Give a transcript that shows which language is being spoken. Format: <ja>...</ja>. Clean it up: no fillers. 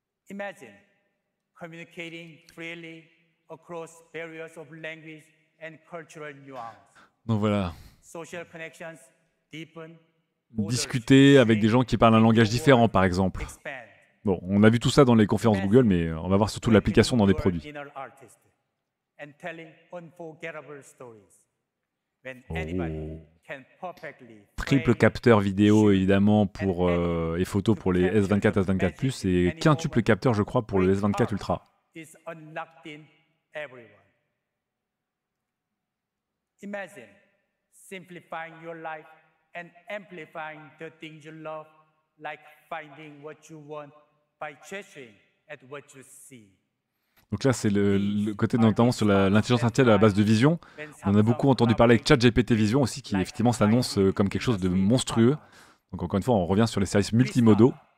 <en>Imagine communicating freely across barriers of language and cultural nuance.</en> <fr>Donc voilà.</fr> <en>Social connections deepen.</en> <fr>Discuter avec des gens qui parlent un langage différent, par exemple. Bon, on a vu tout ça dans les conférences Google, mais on va voir surtout l'application dans des produits.</fr> <en>And telling unforgettable stories. When anybody can perfectly.</en> <fr>Triple capteur vidéo, évidemment, pour et photos pour les S24, S24 Plus, et quintuple capteur, je crois, pour le S24 Ultra.</fr> <en>Is unlocked in everyone. Imagine simplifying your life and amplifying the things you love, like finding what you want by treasuring at what you see.</en> <fr>Donc là, c'est le côté notamment sur l'intelligence artificielle à base de vision. On en a beaucoup entendu parler avec ChatGPT Vision aussi, qui effectivement s'annonce comme quelque chose de monstrueux. Donc encore une fois, on revient sur les services multimodaux.</fr>